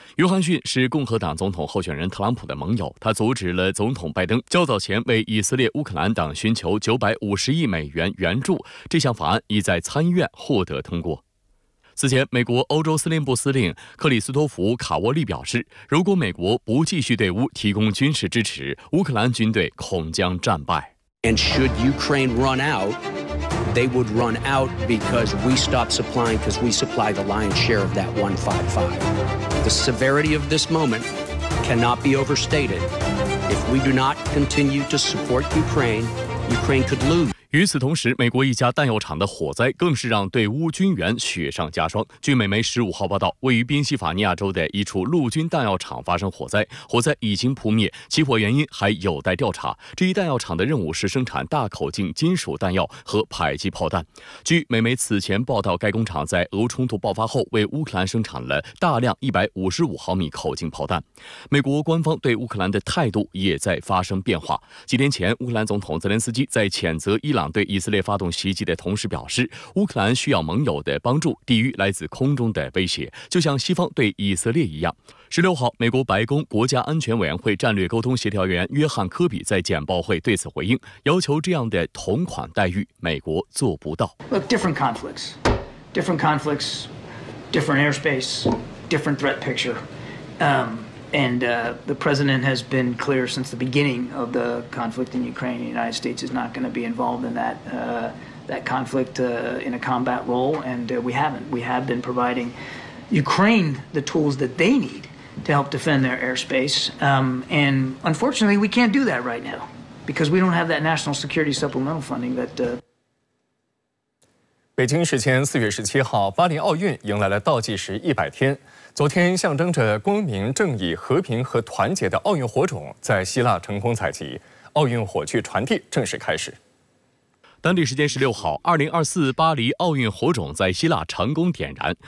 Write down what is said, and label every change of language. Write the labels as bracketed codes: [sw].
[zh] 约翰逊是共和党总统候选人特朗普的盟友，他阻止了总统拜登较早前为以色列乌克兰党寻求$950亿援助，这项法案已在参议院获得通过。此前，美国欧洲司令部司令克里斯托弗·卡沃利表示，如果美国不继续对乌提供军事支持，乌克兰军队恐将战败。 [en] And should Ukraine run out, they would run out because we stopped supplying, because we supply the lion's share of that 155. The severity of this moment cannot be overstated. If we do not continue to support Ukraine, Ukraine could lose. [zh] 与此同时，美国一家弹药厂的火灾更是让对乌军援雪上加霜。据美媒15号报道，位于宾夕法尼亚州的一处陆军弹药厂发生火灾，火灾已经扑灭，起火原因还有待调查。这一弹药厂的任务是生产大口径金属弹药和迫击炮弹。据美媒此前报道，该工厂在俄乌冲突爆发后为乌克兰生产了大量155毫米口径炮弹。美国官方对乌克兰的态度也在发生变化。几天前，乌克兰总统泽连斯基在谴责伊朗对以色列发动袭击的同时表示，乌克兰需要盟友的帮助抵御来自空中的威胁，就像西方对以色列一样。 16号，美国白宫国家安全委员会战略沟通协调员约翰·科比在简报会对此回应，要求这样的同款待遇美国做不到。 [en] Look, different conflicts, different conflicts, different airspace, different threat picture. The president has been clear since the beginning of the conflict in Ukraine. The United States is not going to be involved in that, that conflict in a combat role, and we haven't. We have been providing Ukraine the tools that they need to help defend their airspace. And unfortunately, we can't do that right now because we don't have that national security supplemental funding that... [zh] 北京时间4月17号，巴黎奥运迎来了倒计时100天。昨天象征着光明、正义、和平和团结的奥运火种在希腊成功采集，奥运火炬传递正式开始。当地时间16号，2024巴黎奥运火种在希腊成功点燃。